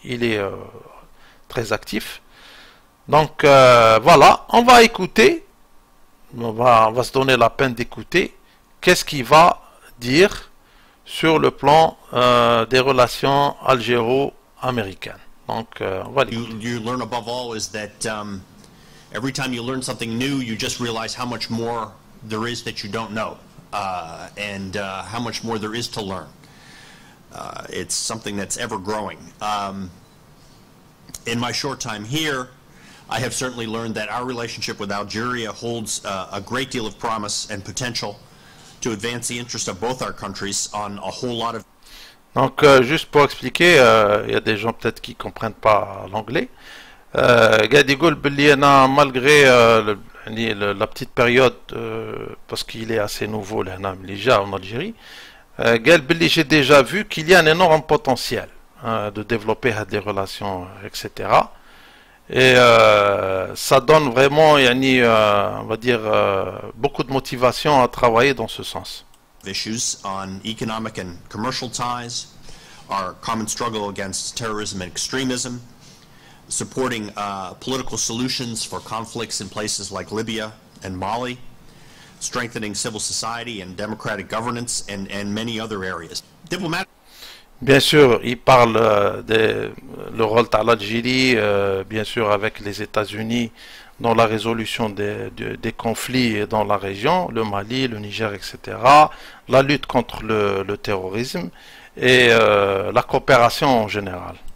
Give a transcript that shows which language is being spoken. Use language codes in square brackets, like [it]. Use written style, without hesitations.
[fr] Il est très actif. Donc voilà, on va écouter, on va se donner la peine d'écouter qu'est-ce qu'il va dire sur le plan des relations algéro-américaines. Donc, on va l'écouter. [en] You learn above all is that every time you learn something new, you just realize how much more there is that you don't know, and how much more there is to learn. It's something that's ever growing. In my short time here, I have certainly learned that our relationship with Algeria holds a great deal of promise and potential to advance the interests of both our countries on a whole lot of. [fr] Donc, juste pour expliquer, il y a des gens peut-être qui ne comprennent pas l'anglais. Gadigol, malgré la petite période, parce qu'il est assez nouveau, déjà en Algérie, j'ai déjà vu qu'il y a un énorme potentiel de développer des relations, etc. Et ça donne vraiment, on va dire, beaucoup de motivation à travailler dans ce sens. [en] Issues on economic and commercial ties, our common struggle against terrorism and extremism, supporting political solutions for conflicts in places like Libya and Mali, strengthening civil society and democratic governance, and many other areas. Diplomatic. [fr] Bien sûr, il parle le rôle de l'Algérie, bien sûr, avec les États-Unis dans la résolution des conflits dans la région, le Mali, le Niger, etc., la lutte contre le terrorisme et la coopération en général.